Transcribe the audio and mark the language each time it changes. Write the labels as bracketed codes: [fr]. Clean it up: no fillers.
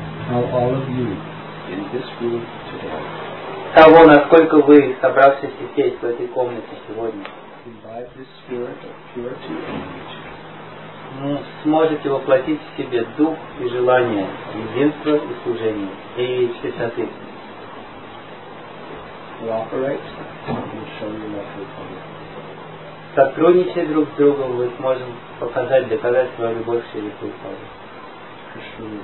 [en] how all of you in this room today, [ru] того, насколько вы собравшись здесь, в этой комнате сегодня, [en] imbibe this spirit of purity and unity. [ru] Ну, сможете воплотить в себе дух и желание единства и служения и чистоты. [en] Cooperate and we'll show you love for you. [ru] Сотрудничая друг с другом, мы сможем показать, доказать свою любовь к Шри Прабхупаде.